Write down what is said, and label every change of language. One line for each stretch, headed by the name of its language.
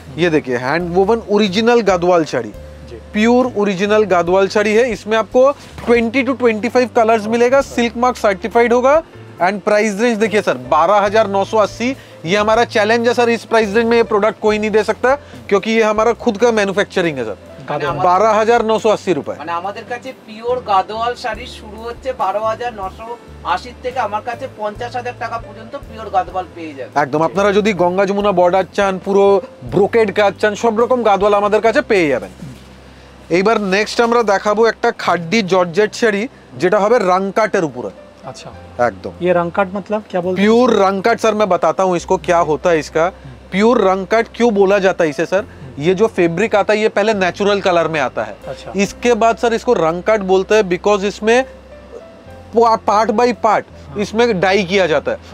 Hindi: ये देखिए hand woven original Gadwal सरी, प्योर ओरिजिनल गदवाल सरी है। इसमें आपको 20-25 कलर्स मिलेगा, सिल्क मार्क सर्टिफाइड होगा एंड प्राइस रेंज देखिए सर 12980। ये हमारा चैलेंज है सर, इस प्राइस रेंज में ये प्रोडक्ट कोई नहीं दे सकता क्योंकि ये हमारा खुद का मैन्युफैक्चरिंग है सर। 12980 रुपए
Bangla: মানে আমাদের কাছে পিওর গাদওয়াল শাড়ি শুরু হচ্ছে 12980 থেকে, আমার কাছে 50000 টাকা পর্যন্ত পিওর গাদওয়াল পেয়ে যাবেন। একদম, আপনারা যদি গঙ্গা যমুনা বর্ডার চান, পুরো ব্রোকেড কাজ চান, সব রকম গাদওয়াল আমাদের কাছে পেয়ে যাবেন। এইবার নেক্সট আমরা দেখাবো একটা খাড্ডি জর্জেট শাড়ি, যেটা হবে রাংকাটের উপরে।
Hindi: अच्छा, एकदम। ये रंगकट मतलब क्या बोलते हैं? प्योर रंगकट सर, मैं बताता हूँ इसको क्या होता है। इसका प्योर रंगकट क्यों बोला जाता है इसे सर, ये जो फैब्रिक आता है ये पहले नेचुरल कलर में आता है। अच्छा। इसके बाद सर इसको रंगकट बोलते हैं बिकॉज इसमें पार्ट बाय पार्ट इसमें डाई किया जाता है।